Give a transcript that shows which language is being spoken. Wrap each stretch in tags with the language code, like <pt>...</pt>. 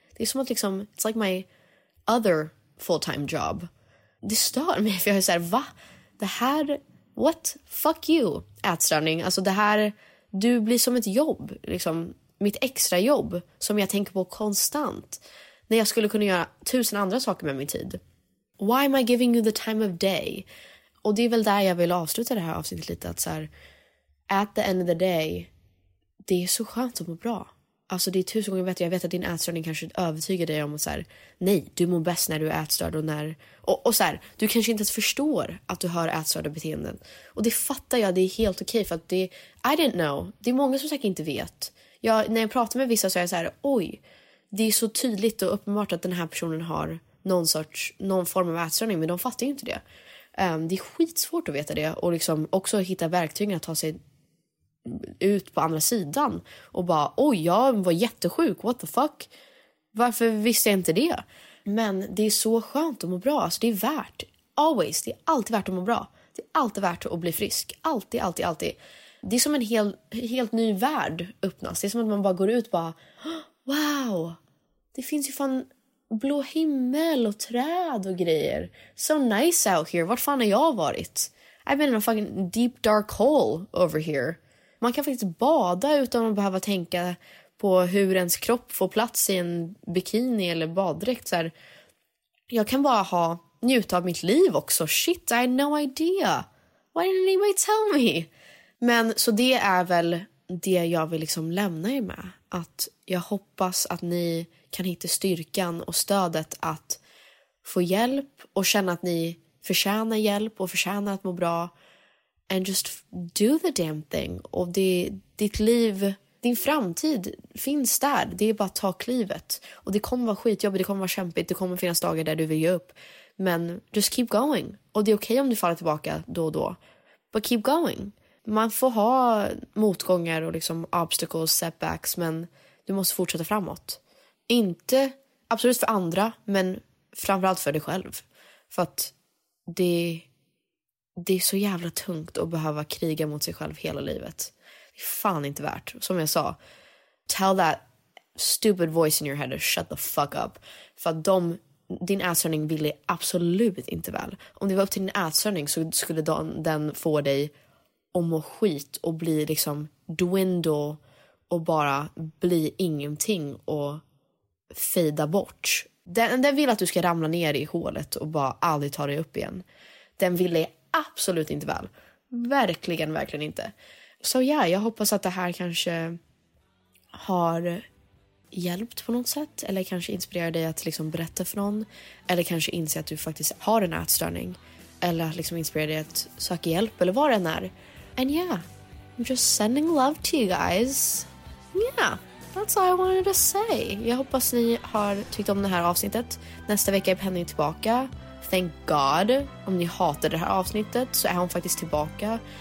<sv>Det är som att liksom,</sv> <en>it's like my other full-time job.</en> <sv>Det stör mig, för jag är så här, va? Det här, what?</sv> <en>Fuck you,</en> <sv>ätstörning. Alltså det här, du blir som ett jobb, liksom mitt extra jobb som jag tänker på konstant. När jag skulle kunna göra tusen andra saker med min tid.</sv> <en>Why am I giving you the time of day?</en> <sv>Och det är väl där jag vill avsluta det här avsnittet lite. Att så här,</sv> <en>at the end of the day,</en> <sv>det är så skönt att må bra. Alltså det är tusen gånger bättre. Jag vet att din ätstörning kanske övertygar dig om att så här, nej, du mår bäst när du är ätstörd. Och, när, och så här, du kanske inte ens förstår att du har ätstörda beteenden. Och det fattar jag, det är helt okej. För att det,</sv> <en>I didn't know.</en> <sv>Det är många som säkert inte vet. Jag, när jag pratar med vissa så är jag så här, oj. Det är så tydligt och uppenbart att den här personen har någon sorts, någon form av ätstörning, men de fattar ju inte det. Det är skitsvårt att veta det och liksom också hitta verktygen att ta sig ut på andra sidan och bara, oj, jag var jättesjuk,</sv> <en>what the fuck?</en> <sv>Varför visste jag inte det? Men det är så skönt att må bra, alltså det är värt. Always, det är alltid värt att må bra. Det är alltid värt att bli frisk. Alltid, alltid, alltid. Det är som en helt ny värld öppnas. Det är som att man bara går ut och bara, wow, det finns ju fan blå himmel och träd och grejer.</sv> <en>So nice out here.</en> <sv>Vart fan har jag varit?</sv> <en>I've been in a fucking deep dark hole over here.</en> <sv>Man kan faktiskt bada utan att behöva tänka på hur ens kropp får plats i en bikini eller baddräkt. Så här, jag kan bara ha njuta av mitt liv också.</sv> <en>Shit, I had no idea. Why didn't anybody tell me?</en> <sv>Men så det är väl det jag vill liksom lämna er med. Att jag hoppas att ni kan hitta styrkan och stödet att få hjälp och känna att ni förtjänar hjälp och förtjänar att må bra.</sv> <en>And just do the damn thing.</en> <sv>Och det, ditt liv, din framtid finns där. Det är bara att ta klivet. Och det kommer vara skitjobbigt, det kommer vara kämpigt, det kommer finnas dagar där du vill ge upp. Men</sv> <en>just keep going.</en> <sv>Och det är okej om du faller tillbaka då och då.</sv> <en>But keep going.</en> <sv>Man får ha motgångar och liksom</sv> <en>obstacles, setbacks,</en> <sv>men du måste fortsätta framåt. Inte absolut för andra, men framförallt för dig själv. För att det är så jävla tungt att behöva kriga mot sig själv hela livet. Det är fan inte värt. Som jag sa,</sv> <en>tell that stupid voice in your head to shut the fuck up.</en> <sv>För att din ätstörning vill absolut inte väl. Om det var upp till din ätstörning så skulle den få dig om och skit och bli liksom dwindle och bara bli ingenting och fada bort. Den vill att du ska ramla ner i hålet och bara aldrig ta dig upp igen. Den vill det absolut inte väl. Verkligen, verkligen inte. Så ja, jag hoppas att det här kanske har hjälpt på något sätt. Eller kanske inspirerar dig att liksom berätta för någon. Eller kanske inse att du faktiskt har en ätstörning. Eller att liksom inspirerar dig att söka hjälp eller vad den är.</sv> <en>And yeah, I'm just sending love to you guys. Yeah, that's all I wanted to say.</en> <sv>Jag hoppas ni har tyckt om det här avsnittet. Nästa vecka är Penny tillbaka.</sv> <en>Thank God,</en> <sv>om ni hatar det här avsnittet så är hon faktiskt tillbaka.</sv>